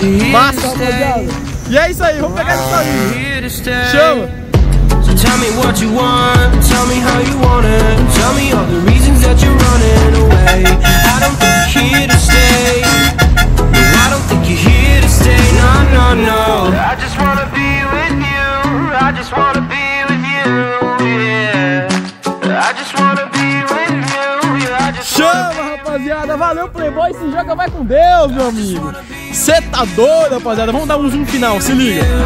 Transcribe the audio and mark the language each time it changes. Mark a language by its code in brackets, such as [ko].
[pt] Massa, rapaziada. E é isso aí, vamos pegar esse carro. Chama. [en] Tell me what you want, tell me how you want it. Tell me all the reasons that you're running away. I don't think you're here to stay. I don't think you're here to stay, no, no, no. I just wanna be with you, I just wanna be with you, yeah. I just wanna be with you, yeah. [pt] Chama, rapaziada, valeu, Playboy, se joga, vai com Deus, meu amigo. Cê tá doido, rapaziada, vamos dar um zoom final, se liga.